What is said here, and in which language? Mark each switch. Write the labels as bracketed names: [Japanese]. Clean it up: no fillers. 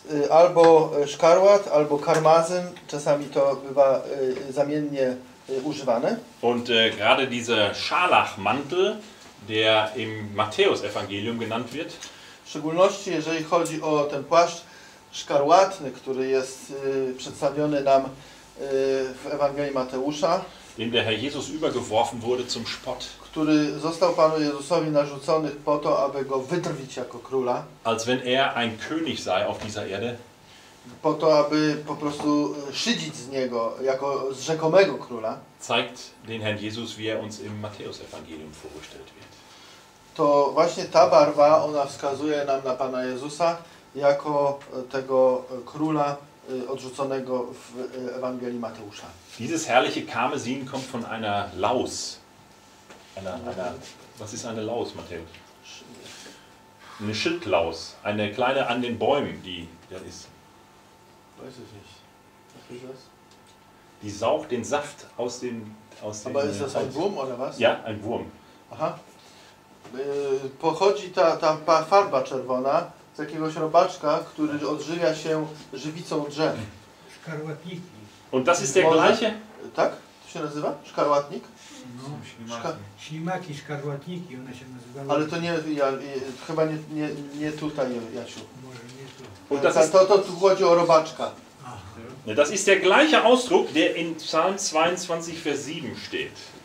[Polish] Albo szkarłat, albo karmazyn, czasami to bywa zamiennie używane. [German] Und gerade dieser Scharlachmantel, der im Matthäus-Evangelium genannt wird. [Polish] W szczególności, jeżeli chodzi o ten płaszcz, szkarłatny, który jest przedstawiony nam w Ewangelii Mateusza, [German] dem der Herr Jesus übergeworfen wurde zum Spott, [Polish] który został Panu Jezusowi narzucony po to, aby go wydrwić jako króla, [German] als wenn ein König sei auf dieser Erde, [Polish] po to, aby po prostu szydzić z niego jako z rzekomego króla, [German] zeigt den Herrn Jesus, wie uns im Matthäus-Evangelium vorgestellt wird. [Polish] To właśnie ta barwa, ona wskazuje nam na Pana Jezusa jako tego króla odrzuconego w Ewangelii Mateusza. [German] Dieses herrliche Karmesin kommt von einer Laus. Was ist eine Laus, Matthäus? Eine Schildlaus. Eine kleine an den Bäumen, die da ist. Weiß ich nicht. Was ist das? Die saugt den Saft aus den... Aus Aber ist das ein Wurm oder was? Ja, ein Wurm. Aha. [Polish] Pochodzi ta farba czerwona z jakiegoś robaczka, który odżywia się żywicą drzew. Szkarłatniki. [German] Und das ist der gleiche? [Polish] Tak? To się nazywa? Szkarłatnik? No, ślimaki. Ślimaki, szkarłatniki, one się nazywały. Ale to nie, ja, chyba nie, nie, nie tutaj, Jasiu. Może nie tu. [German] Und [Polish] to chodzi o robaczka. Aha. [German] Das ist der gleiche Ausdruck, der in Psalm 22, Vers 7 steht.